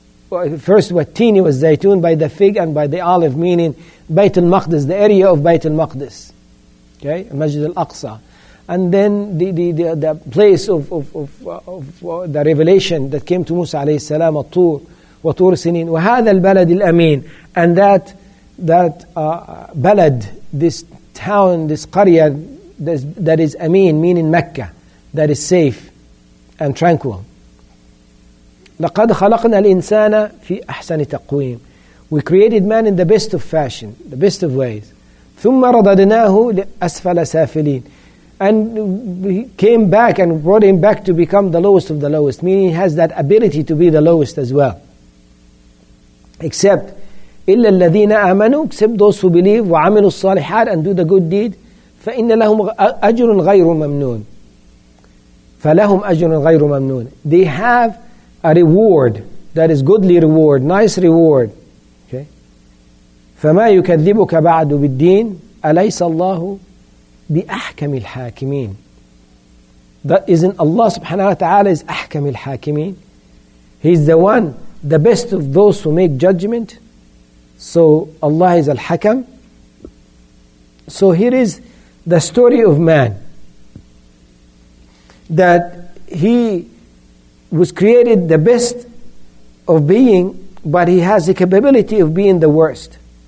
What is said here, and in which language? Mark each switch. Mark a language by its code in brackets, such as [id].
[en] First, watini was zaytun, by the fig and by the olive, meaning Bayt al-Maqdis, the area of Bayt al-Maqdis, okay, Masjid al-Aqsa, and then the place of the revelation that came to Musa alayhi salam, al-Tur, [ar] wa Tur Sinin, wa hadha al-balad al-amin, [en] and that balad, this town, this qarya, that is amin, meaning Mecca, that is safe and tranquil. [ar] لقد خلقنا الإنسان في أحسن تقويم. [en] We created man in the best of fashion, the best of ways. [ar] ثم رددناه لأسفل سافلين. [en] And we came back and brought him back to become the lowest of the lowest, meaning he has that ability to be the lowest as well. Except, [ar] إلا الذين آمنوا, [en] except those who believe [ar] وعملوا الصالحات [en] and do the good deed, [ar] فإن لهم أجر غير ممنون. فلهم أجر غير ممنون. [en] They have a reward that is goodly reward, nice reward. Okay. [ar] فما يكذبك بعد بالدين أليس الله بأحكم الحاكمين. [en] That isn't Allah subhanahu wa ta'ala is [ar] أحكم الحاكمين. [en] He's the one, the best of those who make judgment. So Allah is al-hakam. So here is the story of man, that he was created the best of being, but he has the capability of being the worst.